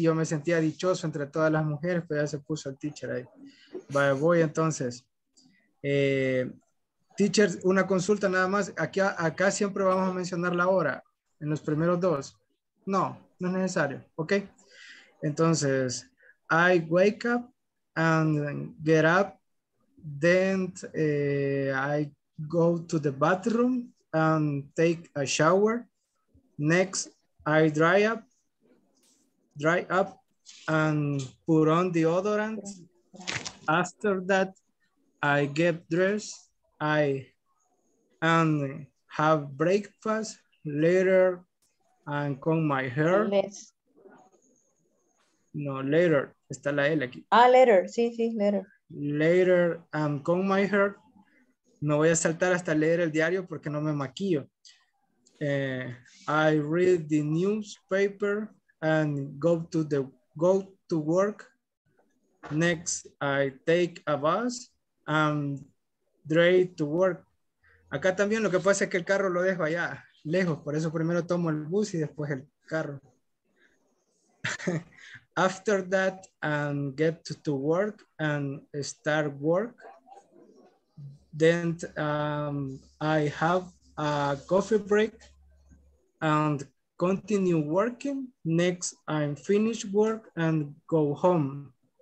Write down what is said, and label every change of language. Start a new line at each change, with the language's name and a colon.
Spanish: Yo me sentía dichoso entre todas las mujeres, pero ya se puso el teacher ahí. Vale, voy entonces. Teacher, una consulta nada más. Acá siempre vamos a mencionar la hora en los primeros dos. No es necesario.
English: Ok, entonces I wake up and get up, then I go to the bathroom and take a shower. Next, I dry up and put on deodorant. After that, I get dressed, and have breakfast. Later, and comb my hair. Less.
Spanish: No, later, está la L aquí.
English: Ah, later, sí, later. Later, and comb my hair.
Spanish: No voy a saltar hasta leer el diario porque no me maquillo.
English: I read the newspaper and go to work. Next, I take a bus. Drive to work.
Spanish: Acá también lo que pasa es que el carro lo dejo allá lejos, por eso primero tomo el bus y después el carro.
English: After that, get to work and start work. then I have a coffee break and continue working. Next, I finish work and go home.